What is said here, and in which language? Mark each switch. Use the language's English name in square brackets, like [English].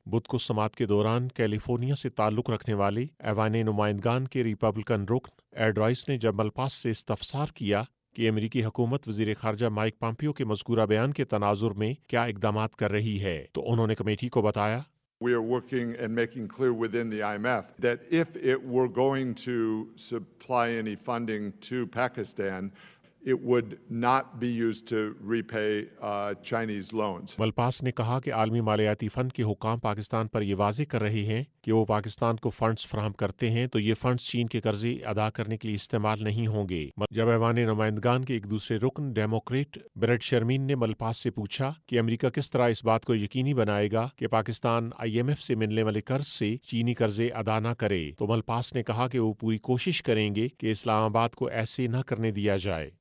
[Urdu] بدھ کو سماعت کے دوران کیلیفورنیا سے تعلق رکھنے والے ایوان نمائندگان کے ریپبلکن رکن ایڈرائس نے جب ملپاس سے استفسار کیا کہ امریکی حکومت وزیر خارجہ مائک پمپیو کے مذکورہ بیان کے تناظر میں کیا اقدامات کر رہی ہے, تو انہوں نے کمیٹی کو بتایا, [English] We are working and making clear within the IMF that if it were going to supply any funding to Pakistan, it would not be used to repay Chinese loans. [Urdu] ملپاس نے کہا کہ عالمی مالیاتی فنڈ کے حکام پاکستان پر یہ واضح کر رہے ہیں کہ وہ پاکستان کو فنڈز فراہم کرتے ہیں تو یہ فنڈز چین کے قرضے ادا کرنے کے لیے استعمال نہیں ہوں گے. جب ایوان نمائندگان کے ایک دوسرے رکن ڈیموکریٹ بریٹ شرمین نے ملپاس سے پوچھا کہ امریکہ کس طرح اس بات کو یقینی بنائے گا کہ پاکستان آئی ایم ایف سے ملنے والے قرض سے چینی قرضے ادا نہ کرے, تو ملپاس نے کہا کہ وہ پوری کوشش کریں گے کہ اسلام آباد کو ایسے نہ کرنے دیا جائے.